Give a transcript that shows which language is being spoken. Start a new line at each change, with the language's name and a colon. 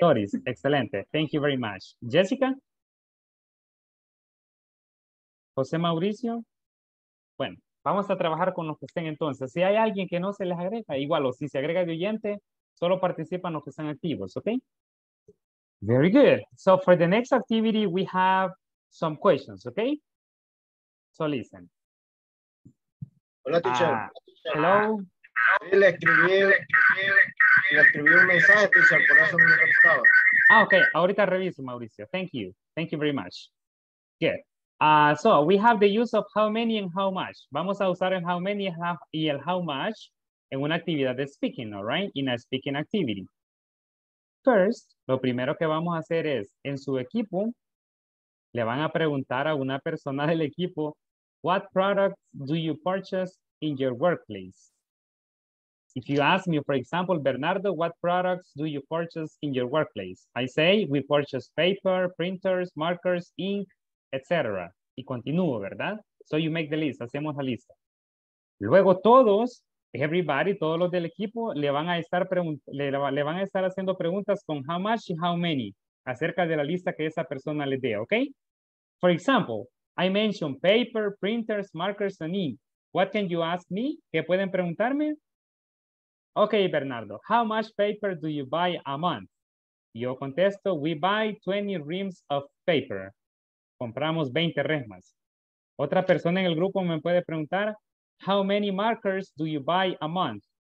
English: Doris, excelente, thank you very much. Jessica? José Mauricio?
Spanish: Bueno, vamos a trabajar con los que estén entonces. Si hay alguien que no se les agrega, igual, o si se agrega de oyente, solo participan los que están activos, okay?
English: Very good. So for the next activity, we have some questions, okay? So listen.
Spanish: Hola, teacher.
English: Hello.
Spanish: Le escribí un mensaje, teacher, por eso me contestaba.
English: Ah, okay.
Spanish: Ahorita reviso,
English: Mauricio. Thank you. Thank you very much. Good. So we have the use of how many and how much.
Spanish: Vamos a usar el how many y el how much en una actividad de speaking, all right?
English: In a speaking activity.
Spanish: First, lo primero que vamos a hacer es en su equipo. Le van a preguntar a una persona del equipo,
English: what products do you purchase in your workplace? If you ask me, for example, Bernardo, what products do you purchase in your workplace? I say, we purchase paper, printers, markers, ink, etc.
Spanish: Y continúo, ¿verdad?
English: So you make the list,
Spanish: hacemos la lista. Luego todos, everybody, todos los del equipo, le van a estar haciendo preguntas con how much y how many. Acerca de la lista que esa persona le dé, ¿ok?
English: For example, I mentioned paper, printers, markers, and ink. What can you ask me?
Spanish: ¿Qué pueden preguntarme?
English: Ok, Bernardo, how much paper do you buy a month?
Spanish: Yo contesto,
English: we buy 20 reams of paper.
Spanish: Compramos 20 resmas. Otra persona en el grupo me puede preguntar,
English: how many markers do you buy a month?